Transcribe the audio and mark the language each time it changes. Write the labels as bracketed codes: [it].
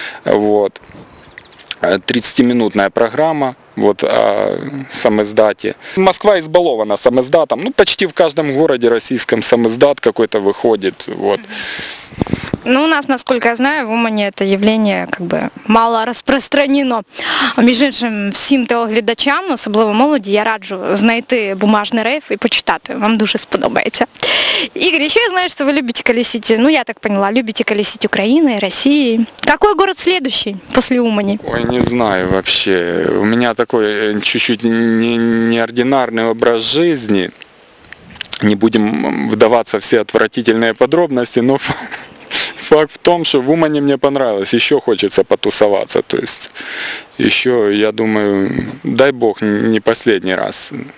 [ru] Вот. 30-минутная программа. Вот о самиздате. Москва избалована самиздатом. Ну, почти в каждом городе российском самиздат какой-то выходит. Вот. Ну, у нас, насколько я знаю, в Умані это явление как бы мало распространено. [uk] Між іншим, всім телеглядачам, особливо молоді, я раджу знайти бумажний рейв і почитати. Вам дуже сподобається. Ігор, ще я знаю, що ви любите колесити. [ru] Ну, я так поняла, любите [uk] колесити України, [ru] Росії. Какой город следующий после Умані? Ой, не знаю вообще. [uk] У мене [ru] такой чуть-чуть неординарный образ жизни. Не будем вдаваться в все отвратительные подробности, но факт в том, что в Умане мне понравилось, еще хочется потусоваться, то есть еще, я думаю, дай бог, не последний раз.